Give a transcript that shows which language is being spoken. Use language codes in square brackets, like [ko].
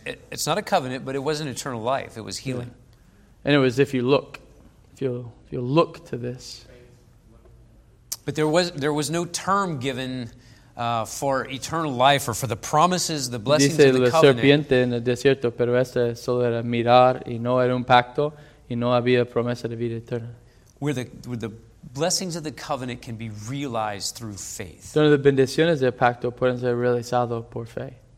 [en] It's not a covenant, but it wasn't eternal life. It was healing. Yeah. And it was if you look. If you look to this. But there was no term given for eternal life or for the promises, the blessings [es] dice [en] of the covenant. [es] Dice la serpiente en el desierto, pero esa solo era mirar y no era un pacto y no había promesa de vida eterna. [en] Where the blessings of the covenant can be realized through faith. [es] Donde las bendiciones del pacto pueden ser realizadas por fe.